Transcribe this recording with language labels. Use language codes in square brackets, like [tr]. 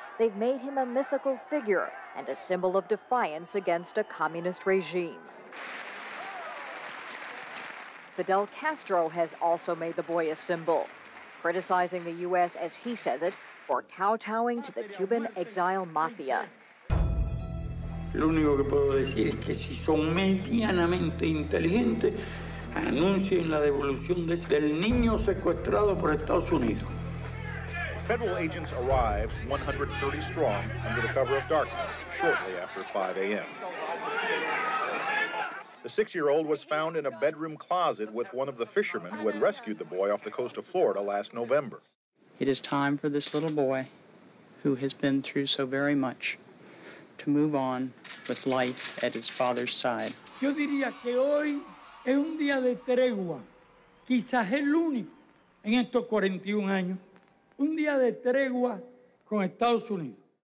[en] They've made him a mythical figure and a symbol of defiance against a communist regime. Fidel Castro has also made the boy a symbol, criticizing the U.S., as he says it, for kowtowing to the Cuban exile mafia. [es] Lo único que puedo decir es que si son medianamente inteligentes, anuncien la devolución del niño secuestrado por Estados Unidos. [en] Federal agents arrive 130 strong under the cover of darkness shortly after 5 a.m. The six-year-old was found in a bedroom closet with one of the fishermen who had rescued the boy off the coast of Florida last November. It is time for this little boy, who has been through so very much, to move on with life at his father's side. [es] Yo diría que hoy es un día de tregua, quizás el único en estos 41 años, un día de tregua con Estados Unidos.